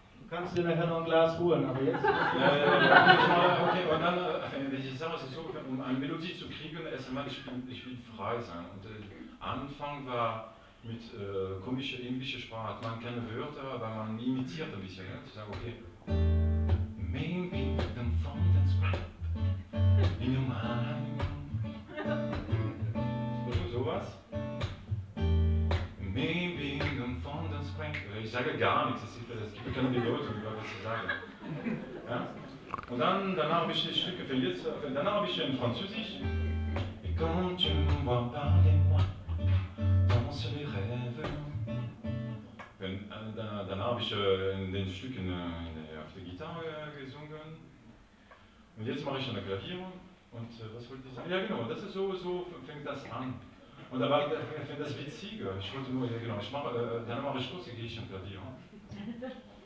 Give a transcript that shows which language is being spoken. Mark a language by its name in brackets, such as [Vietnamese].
[German] Kannst du dir nachher noch ein Glas holen, aber jetzt? Okay, und dann, um eine Melodie zu kriegen, erstmal, ich will frei sein. Und der Anfang war mit komischer englischer Sprache, hat man keine Wörter, aber man imitiert ein bisschen. Ne? Ich sage, okay. [English] Maybe the fountain's cracked in your mind. [German] Sowas? [English] Maybe the fountain's cracked. [German] Ich sage gar nichts. Das gibt keine Bedeutung, über was zu sagen. Ja? Und danach habe ich das Stück verliert. Danach habe ich in Französisch. [French] Et quand tu me vois par les mois, dans les rêves. [German] Danach habe ich den Stück auf der Gitarre gesungen. Und jetzt mache ich an der Klavier. Und was wollte ich sagen? Ja, genau, das ist so fängt das an. Und dabei finde das witziger. Ich wollte nur, ja, genau, mache ich kurz, dann gehe ich an der Klavier.